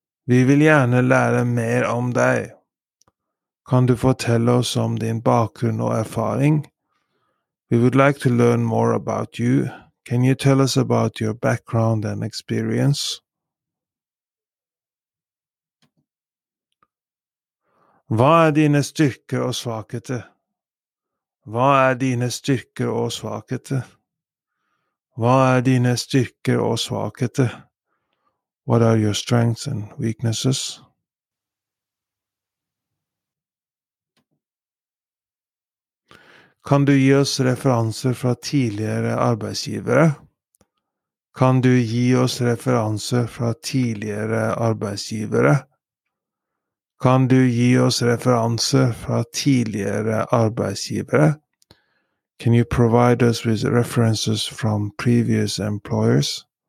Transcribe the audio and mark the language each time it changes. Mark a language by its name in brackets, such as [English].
[Norwegian] Vi vil gjerne lære mer om deg. Kan du fortelle oss om din bakgrunn og erfaring? [English] We would like to learn more about you. Can you tell us about your background and experience? [Norwegian] Hva dine styrker og svakheter? Hva dine styrker og svakheter? Hva dine styrker og svakheter? [English] What are your strengths and weaknesses? [Norwegian] Kan du gi oss referanser fra tidligere arbeidsgivere? Kan du gi oss referanser fra tidligere arbeidsgivere? Kan du gi oss referanser fra tidligere arbeidsgivere? [English] Can you provide us with references from previous employers?